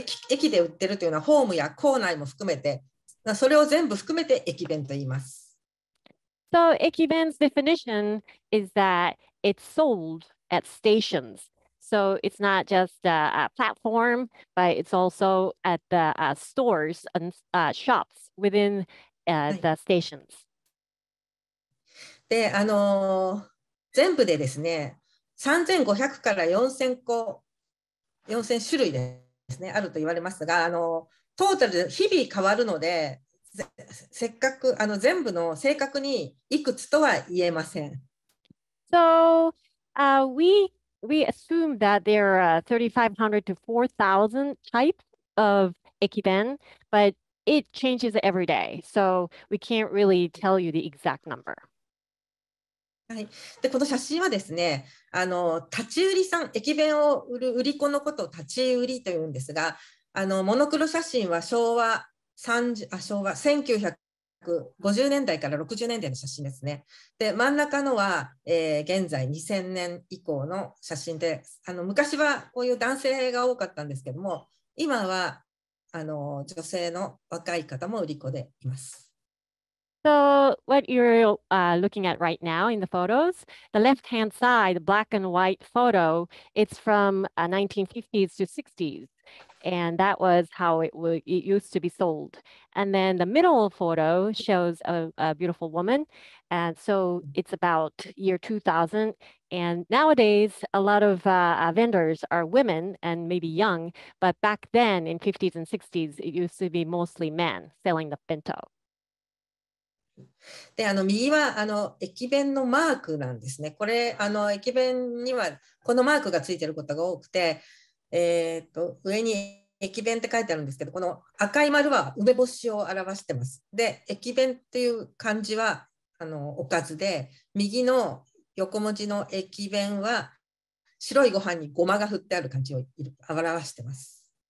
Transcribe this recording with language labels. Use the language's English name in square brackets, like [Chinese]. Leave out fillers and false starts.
[Japanese] 駅で売ってるというのはホームや構内も含めて、それを全部含めて駅弁と言います。 [English] So, 駅弁's definition is that it's sold at stations. So, it's not just a platform, but it's also at the stores and shops within the stations. [Japanese] で、全部でですね、3,500から4,000種類ですね、あると言われますが、トータルで日々変わるので、せっかく全部の正確にいくつとは言えません。 [English] So, we assume that there are 3,500 to 4,000 types of ekiben, but it changes every day. So, we can't really tell you the exact number. [Japanese] はい、でこの写真はですね、立ち売りさん、駅弁を売る売り子のことを立ち売りというんですが、モノクロ写真は1950年代から60年代の写真ですね。で真ん中のは、現在2000年以降の写真で、昔はこういう男性が多かったんですけども、今は女性の若い方も売り子でいます。 [English] So what you're looking at right now in the photos, the left-hand side, the black and white photo, it's from 1950s to 60s. And that was how it used to be sold. And then the middle photo shows a beautiful woman. And so it's about year 2000. And nowadays, a lot of vendors are women and maybe young. But back then in 50s and 60s, it used to be mostly men selling the bento. [Japanese] で、あの右はあの駅弁のマークなんですね。これあの駅弁にはこのマークがついてることが多くて、上に駅弁って書いてあるんですけど、この赤い丸は梅干しを表してます。で、駅弁っていう漢字はあのおかずで、右の横文字の駅弁は白いご飯にごまが振ってある感じを表してます。